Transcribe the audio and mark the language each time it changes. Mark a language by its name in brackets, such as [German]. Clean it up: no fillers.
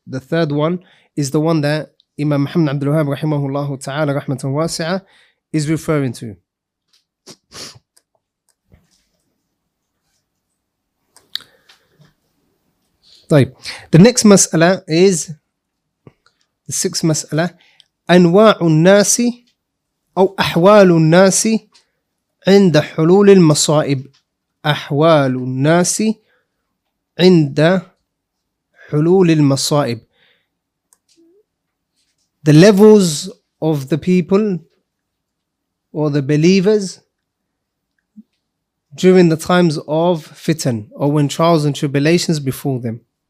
[English] The third one is the one that Imam Muhammad Abdul Wahhab رحمه الله تعالى رحمة واسعة is referring to. [Arabic] طيب. [English] The next مسألة is the sixth مسألة. [Arabic] أنواع الناس أو أحوال الناس عند حلول المصائب. أحوال الناس عند حلول المصائب. [English] The levels of the people or the believers during the times of fitan or when trials and tribulations befall them.